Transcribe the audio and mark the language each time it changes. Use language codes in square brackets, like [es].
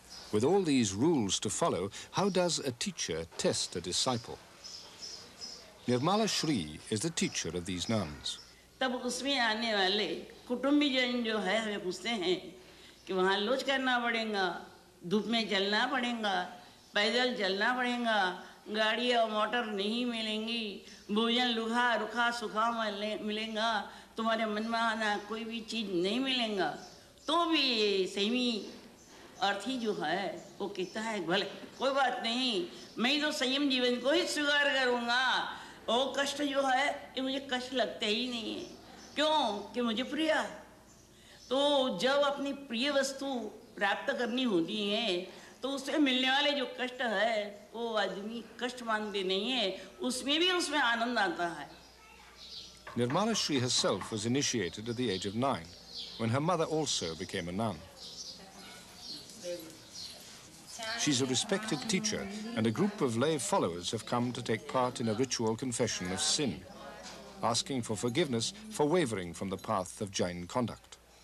[en] With all these rules to follow, how does a teacher test a disciple? Nirmala Shri is the teacher of these nuns. [hi] तब उसमें आने वाले कुटुंबी जन जो है हमें पूछते हैं कि वहाँ लोच करना पड़ेगा धूप में चलना पड़ेगा पैदल चलना पड़ेगा गाड़ी और मोटर नहीं मिलेंगी भोजन लुहा रुखा सुखा मिलेगा तुम्हारे मन में आना कोई भी चीज़ नहीं मिलेगा तो भी ये सही अर्थी जो है वो कहता है भले कोई बात नहीं मैं तो संयम जीवन को ही स्वीकार करूँगा ओ कष्ट जो है ये मुझे कष्ट लगते ही नहीं है क्यों कि मुझे प्रिय है तो जब अपनी प्रिय वस्तु प्राप्त करनी होती है तो उससे मिलने वाले जो कष्ट है वो आदमी कष्ट मानते नहीं है उसमें भी उसमें आनंद आता है [en] Nirmala Shri herself was initiated at the age of 9 when her mother also became a nun. She's a respected teacher, and a group of lay followers have come to take part in a ritual confession of sin, asking for forgiveness for wavering from the path of Jain conduct.